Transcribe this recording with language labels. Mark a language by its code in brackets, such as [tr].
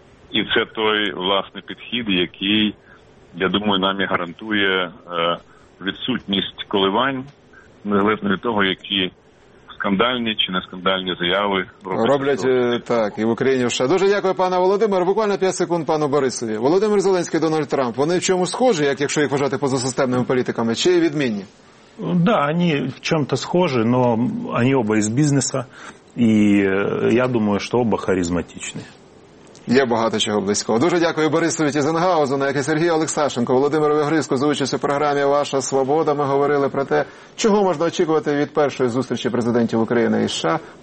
[uk] І це той власний підхід, який, я думаю, нам і гарантує відсутність коливань, незалежно від того, які скандальні чи не скандальні заяви роблять так, і в Україні ще. Дуже дякую, пане Володимир. Буквально 5 секунд пану Борисові. Володимир Зеленський, Дональд Трамп, вони в чому схожі, як якщо їх вважати позасистемними політиками, чи відмінні? [ru] Да, они в чем-то схожи, но они оба из бизнеса, и я думаю, что оба харизматичны. [uk] Є багато чого близького. Дуже дякую Борисові Тізенгаузену, як і Сергію Олексашенко, Володимирові Гризку за участь у програмі «Ваша свобода». Ми говорили про те, чого можна очікувати від першої зустрічі президентів України і США.